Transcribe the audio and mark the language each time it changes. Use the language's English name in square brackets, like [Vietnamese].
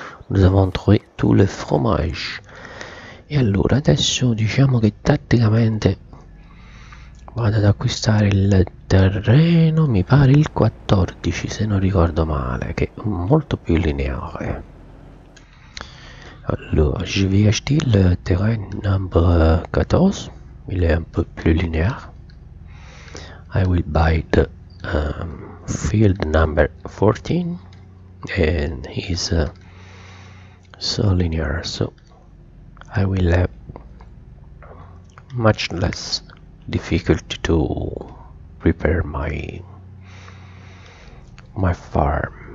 [French] Nous avons trouvé tout le fromage. [Italian] E allora, adesso diciamo che tatticamente vado ad acquistare il terreno, mi pare il 14, se non ricordo male, che è molto più lineare. [French] Allora, je vais acheter le terrain number 14, il est un peu plus linéaire. [English] I will buy the field number 14, and he's so linear, so I will have much less difficulty to prepare my farm.